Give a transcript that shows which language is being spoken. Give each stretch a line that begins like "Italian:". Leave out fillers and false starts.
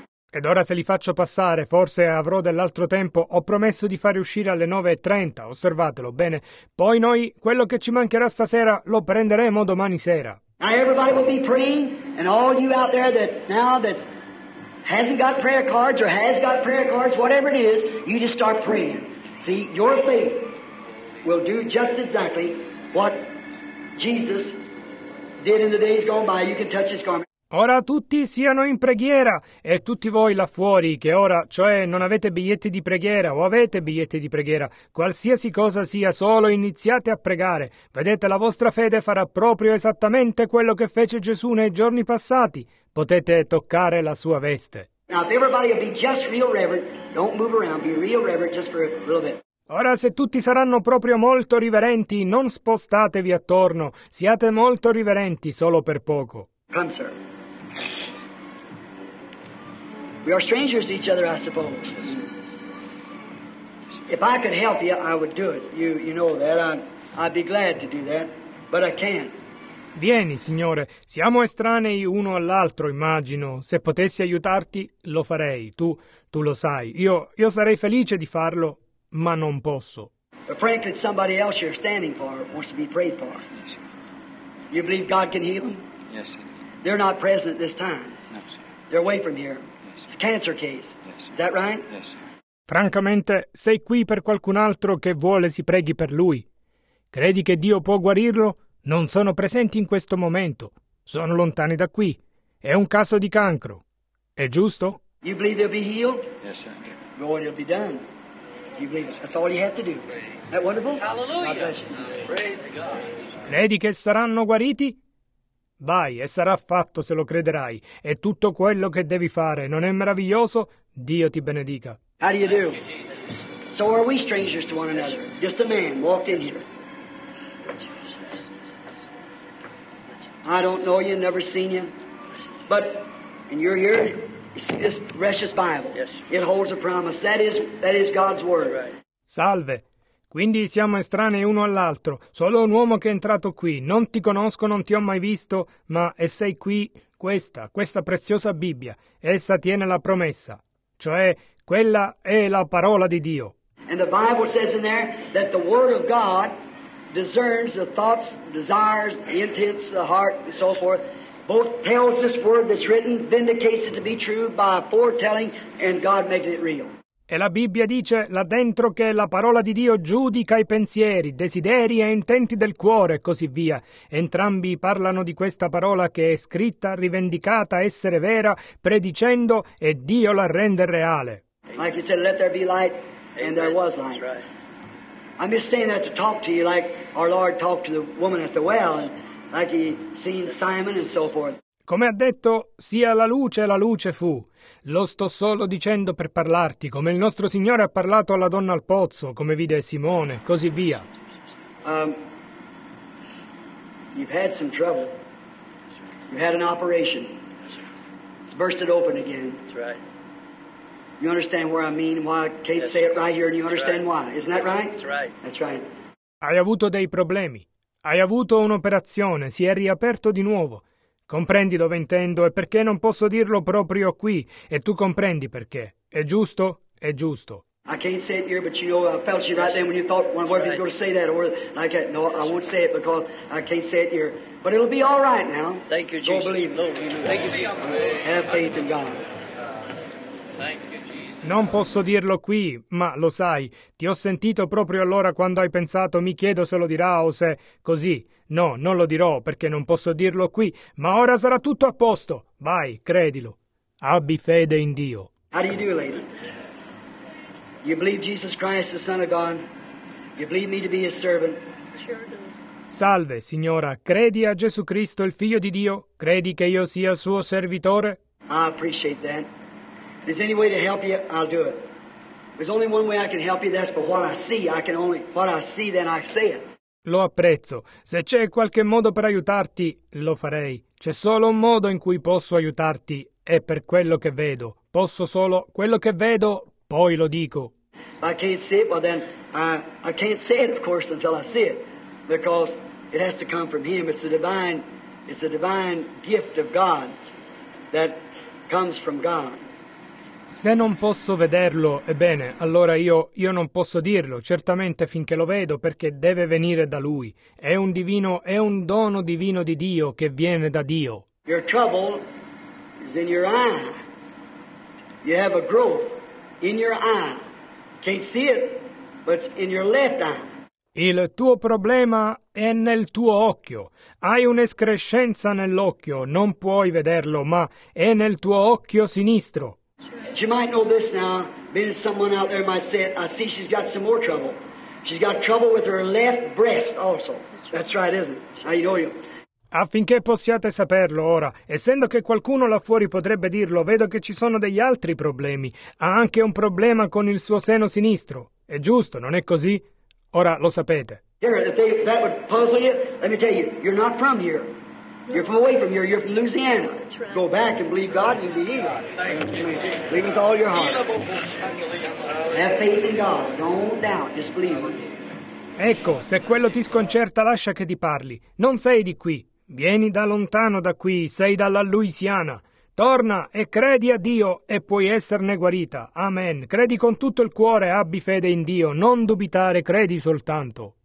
Italian: Ed ora se li faccio passare, forse avrò dell'altro tempo, ho promesso di fare uscire alle 9:30, osservatelo bene. Poi noi, quello che ci mancherà stasera, lo prenderemo domani sera.
English: Now everybody will be praying, and all you out there that now that hasn't got prayer cards or has got prayer cards, whatever it is, you just start praying. See, your faith will do just exactly what Jesus did in the days gone by. You can touch his garment.
Italian: Ora tutti siano in preghiera e tutti voi là fuori che ora, cioè non avete biglietti di preghiera o avete biglietti di preghiera, qualsiasi cosa sia, solo iniziate a pregare. Vedete, la vostra fede farà proprio esattamente quello che fece Gesù nei giorni passati. Potete toccare la sua veste.
English: Now, if everybody will be just real reverent, don't move around, be real reverent just for a little bit.
Italian: Ora, se tutti saranno proprio molto riverenti, non spostatevi attorno, siate molto riverenti solo per poco.
English: Come, sir. We are strangers to each other, I suppose. If I could help you, I would do it. You know that. I'd be glad to do that, but I can't.
Italian: Vieni, signore. Siamo estranei uno all'altro, immagino. Se potessi aiutarti, lo farei. Tu lo sai. Io sarei felice di farlo, ma non posso.
English: But frankly, somebody else you're standing for wants to be prayed for. Yes, sir. You believe God can heal him? Yes, sir. They're not present at this time. No, sir. They're away from here. Yes, it's a cancer case. Yes, is that right? Yes, sir.
Italian: Francamente, sei qui per qualcun altro che vuole si preghi per lui. Credi che Dio può guarirlo? Non sono presenti in questo momento. Sono lontani da qui. È un caso di cancro. È giusto?
English: You believe they'll be healed? Yes, sir. Go and it'll be done. You believe it? That's all you have to do. Isn't that wonderful? Hallelujah. God bless you. Praise God.
Italian: Credi che saranno guariti? Vai, e sarà fatto se lo crederai. È tutto quello che devi fare. Non è meraviglioso? Dio ti benedica.
English: How do you do? So are we strangers to one another. Just a man walked in here. I don't know you, never seen you. But, and you're here, it's this precious Bible. It holds a promise. That is God's word.
Italian: Salve. Quindi siamo estranei uno all'altro. Solo un uomo che è entrato qui. Non ti conosco, non ti ho mai visto, ma e sei qui, questa preziosa Bibbia. Essa tiene la promessa. Cioè, quella è la parola di Dio.
English: And the Bible says in there that the word of God discerns the thoughts, desires, the intents, the heart, and so forth. Both tells this word that's written, vindicates it to be true by foretelling, and God making it real.
Italian: E la Bibbia dice là dentro che la parola di Dio giudica i pensieri, desideri e intenti del cuore e così via. Entrambi parlano di questa parola che è scritta, rivendicata, essere vera, predicendo e Dio la rende reale.
English: Like you said, let there be light, and there was light. Right. I'm just saying that to talk to you like our Lord talked to the woman at the well, and like he seen Simon and so forth.
Italian: Come ha detto, sia la luce fu. Lo sto solo dicendo per parlarti, come il nostro Signore ha parlato alla donna al pozzo, come vide Simone, così via.
English: You've had some trouble. You've had an operation. It's bursted open again. That's right. You understand where I mean, why Kate That's say it right here, and you understand right. why. Isn't that right? That's right. That's right.
Italian: Hai avuto dei problemi. Hai avuto un'operazione, si è riaperto di nuovo. Comprendi dove intendo e perché non posso dirlo proprio qui, e tu comprendi perché. È giusto? È giusto.
English: I can't say it here, but you know, I felt you right then when you thought, well, what if he's going to say that, or like that. No, I won't say it because I can't say it here. But it'll be all right now. Thank you, Jesus. Go believe it. Thank you. Have faith in God.
Italian: Non posso dirlo qui, ma lo sai, ti ho sentito proprio allora quando hai pensato, mi chiedo se lo dirà o se così. No, non lo dirò, perché non posso dirlo qui, ma ora sarà tutto a posto. Vai, credilo. Abbi fede in Dio.
English: How do you do, lady? You believe Jesus Christ, the Son of God? You believe me to be his servant? Sure do.
Italian: Salve, signora. Credi a Gesù Cristo, il Figlio di Dio? Credi che io sia suo servitore?
English: I appreciate that. If there's any way to help you, I'll do it. There's only one way I can help you, that's for what I see. I can only, what I see, then I say it.
Italian: Lo apprezzo. Se c'è qualche modo per aiutarti, lo farei. C'è solo un modo in cui posso aiutarti, è per quello che vedo. Posso solo quello che vedo, poi lo dico.
English: I can't see it, well then I can't say it, of course, until I see it, because it has to come from Him. It's a divine gift of God that comes from God.
Italian: Se non posso vederlo, ebbene, allora io non posso dirlo, certamente finché lo vedo, perché deve venire da Lui. È un dono divino di Dio che viene da Dio.
English: Your trouble is in your eye. You have a growth in your eye. Can't see it, but it's in your left eye.
Italian: Il tuo problema è nel tuo occhio. Hai un'escrescenza nell'occhio, non puoi vederlo, ma è nel tuo occhio sinistro.
English: She might know this now, being someone out there might say it. I see she's got some more trouble. She's got trouble with her left breast also. That's right, isn't it? I know you.
Italian: Affinché possiate saperlo ora, essendo che qualcuno là fuori potrebbe dirlo, vedo che ci sono degli altri problemi. Ha anche un problema con il suo seno sinistro. È giusto, non è così? Ora lo sapete.
English: Here, that would puzzle you, let me tell you, you're not from here. You're from away from here, you're from Louisiana. Go back and believe God and be healed. Believe with all your heart. Have faith in God, don't doubt, just believe.
Italian: Ecco, se quello ti sconcerta, lascia che ti parli. Non sei di qui. Vieni da lontano da qui, sei dalla Louisiana. Torna e credi a Dio e puoi esserne guarita. Amen. Credi con tutto il cuore, abbi fede in Dio. Non dubitare, credi soltanto.